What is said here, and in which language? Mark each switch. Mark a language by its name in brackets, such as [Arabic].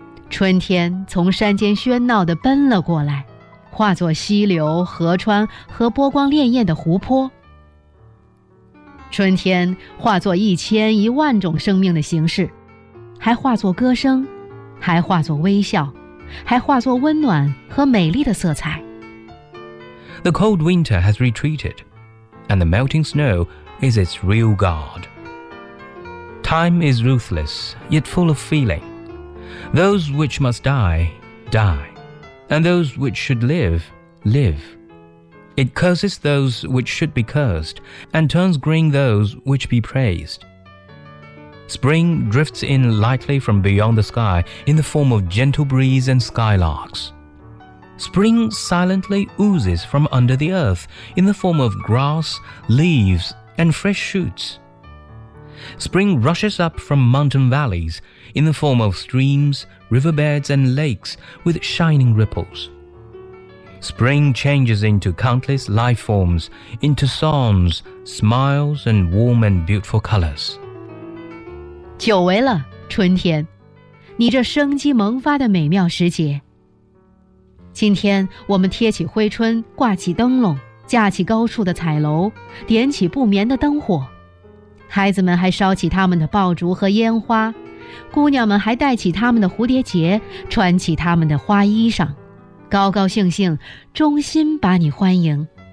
[Chinese] 春天从山间喧闹地奔了过来，化作溪流、河川和波光潋滟的湖泊。春天化作一千一万种生命的形式，还化作歌声，还化作微笑，还化作温暖和美丽的色彩。 [English] The cold winter has retreated, and the melting snow is its real god. Time is ruthless, yet full of feeling. Those which must die, die, and those which should live, live. It curses those which should be cursed, and turns green those which be praised. Spring drifts in lightly from beyond the sky in the form of gentle breeze and skylarks. Spring silently oozes from under the earth in the form of grass, leaves, and fresh shoots. Spring rushes up from mountain valleys in the form of streams, riverbeds, and lakes with shining ripples. Spring changes into countless life forms, into songs, smiles, and warm and beautiful colors. [Chinese] 久违了，春天，你这生机萌发的美妙时节。今天我们贴起灰春，挂起灯笼，架起高处的彩楼，点起不眠的灯火。孩子们还烧起他们的爆竹和烟花，姑娘们还戴起他们的蝴蝶结，穿起他们的花衣裳，高高兴兴，衷心把你欢迎。